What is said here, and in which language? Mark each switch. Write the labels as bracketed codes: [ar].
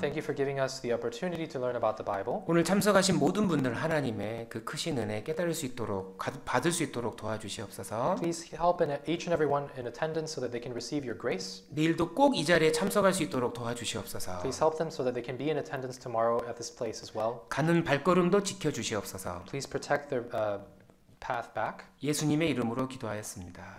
[en] Thank you for giving us the opportunity to learn about the Bible. [ko] 오늘 참석하신 모든 분들 하나님의 그 크신 은혜 깨달을 수 있도록 받을 수 있도록 도와주시옵소서. [en] Please help each and everyone in attendance so that they can receive your grace. [ko] 내일도 꼭 이 자리에 참석할 수 있도록 도와주시옵소서. [en] Please help them so that they can be in attendance tomorrow at this place as well. [ko] 가는 발걸음도 지켜주시옵소서. [en] Please protect their path back. [ko] 예수님의 이름으로 기도하였습니다.